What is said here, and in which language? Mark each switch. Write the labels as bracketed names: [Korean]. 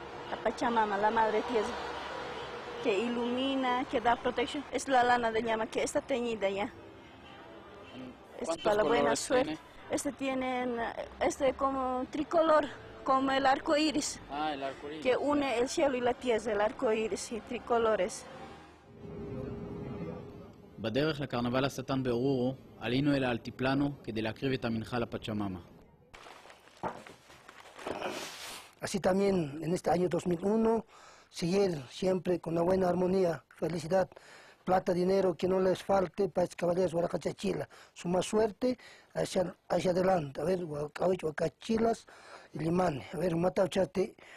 [Spanish] La Pachamama, la madre tierra, que ilumina, que da protección. Es la lana de llama, que está teñida ya. Es para la buena suerte. ¿Tiene? Este tiene, como tricolor. Como el arco iris, el arco iris, que une el cielo y la tierra, el arco iris y tricolores. [Hebrew] בדרך לקרנבל השטן באורורו, עלינו אל האלטיפלנו כדי להקריב את המנחה לפצ'ממה. [Spanish] Así también en este año 2001, seguir siempre con una buena armonía, felicidad, plata, dinero, que no les falte para estos caballeros huaracachachila. Su más suerte hacia adelante. A ver, huaracachilas y limanes. A ver, matachate,